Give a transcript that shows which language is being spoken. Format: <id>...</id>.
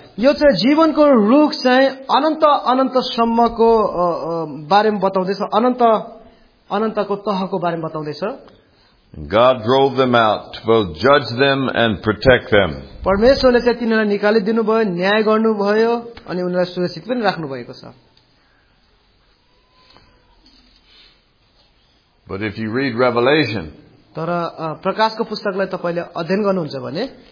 <ne>यो चाहिँ जीवनको रुख चाहिँ अनन्त अनन्त सम्मको बारेमा बताउँदैछ अनन्त अनन्तको तहको बारेमा बताउँदैछ.</ne> <en>God drove them out to both judge them and protect them.</en> <ne>परमेश्वरले चाहिँ तिनीहरूलाई निकाली दिनुभयो न्याय गर्नुभयो अनि उनीहरूलाई सुरक्षित पनि राख्नु भएको छ.</ne> <en>But if you read Revelation,</en> <ne>तर प्रकाशको पुस्तकलाई तपाईले अध्ययन गर्नुहुन्छ भने</ne>